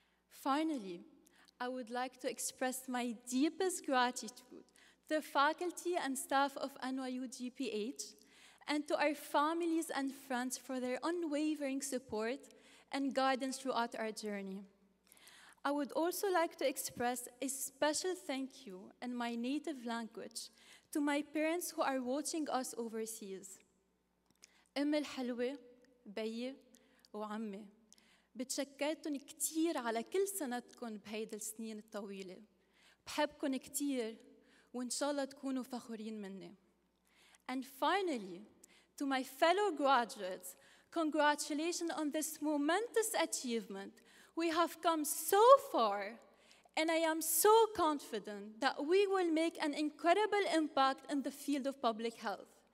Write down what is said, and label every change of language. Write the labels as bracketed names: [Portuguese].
[English] Finally, I would like to express my deepest gratitude to the faculty and staff of NYU GPH and to our families and friends for their unwavering support and guidance throughout our journey. I would also like to express a special thank you in my native language to my parents who are watching us overseas. [Arabic] أم الحلوة بي وعمي بتشكرتن كتير على كل سنتكن بهيدي السنين الطويلة. بحبكن كتير وإن شاء الله تكونوا فخورين مني. [English] And finally, to my fellow graduates, congratulations on this momentous achievement. We have come so far, and I am so confident that we will make an incredible impact in the field of public health.